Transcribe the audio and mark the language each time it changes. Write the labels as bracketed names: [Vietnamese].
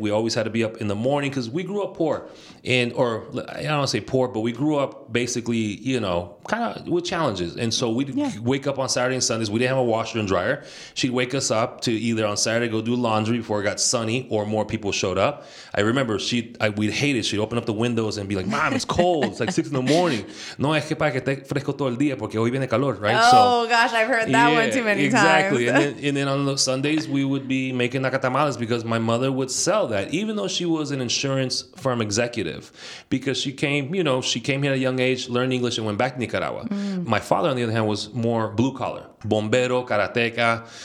[English] We always had to be up in the morning because we grew up poor. And, or I don't want to say poor, but we grew up basically, you know, kind of with challenges. And so we'd wake up on Saturday and Sundays. We didn't have a washer and dryer. She'd wake us up to either on Saturday go do laundry before it got sunny or more people showed up. I remember we'd hate it. She'd open up the windows and be like, Mom, it's cold. Cold. It's like 6 in the morning. [Spanish] No, es que para que esté fresco todo el día, porque hoy viene calor, right? [English] Oh, so, gosh, I've heard that one too many exactly. times. Exactly. And then on those Sundays, we would be making nacatamales because my mother would sell that, even though she was an insurance firm executive. Because she came, you know, she came here at a young age, learned English, and went back to Nicaragua. Nicaragua. Mm. My father, on the other hand, was more blue collar, bombero, karateka.